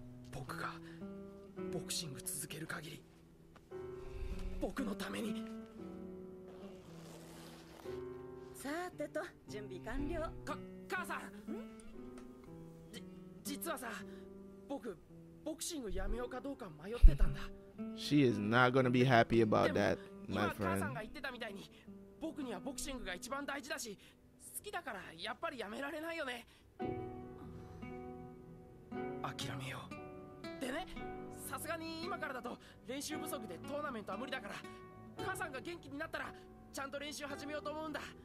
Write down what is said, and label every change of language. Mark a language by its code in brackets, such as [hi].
[ja] 僕がボクシング続ける限り、僕のために。さてと、準備完了。母さん、実はさ、僕ボクシングやめようかどうか迷ってたんだ。 [en] She is not gonna be happy about that, my friend. [ja] 今母さんが言ってたみたいに、僕にはボクシングが一番大事だし、好きだからやっぱりやめられないよね。諦めよう。でね、さすがに今からだと練習不足でトーナメントは無理だから、母さんが元気になったらちゃんと練習始めようと思うんだ。